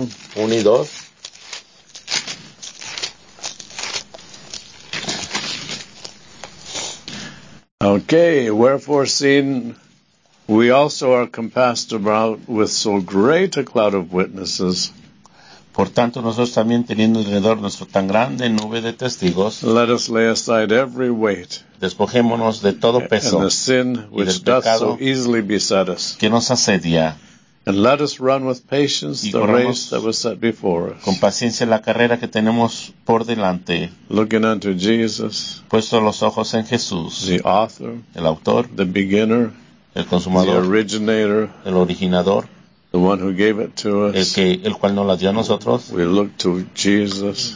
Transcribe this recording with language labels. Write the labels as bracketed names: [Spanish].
[Spanish] 1 y 2. [English] Okay, wherefore seeing we also are compassed about with so great a cloud of witnesses. [Spanish] Por tanto, nosotros también teniendo alrededor nuestro tan grande nube de testigos. [English] Let us lay aside every weight. [Spanish] Despojémonos de todo peso. [English] And the sin which doth so easily beset us. [Spanish] Que nos asedia. [English] And let us run with patience the race that was set before us. [Spanish] Con paciencia la carrera que tenemos por delante. [English] Looking unto Jesus. [Spanish] Puesto los ojos en Jesús. [English] The author. [Spanish] El autor. [English] The beginner. [Spanish] El consumador. [English] The originator. [Spanish] El originador. [English] The one who gave it to us. [Spanish] El cual nos la dio a nosotros. [English] We look to Jesus.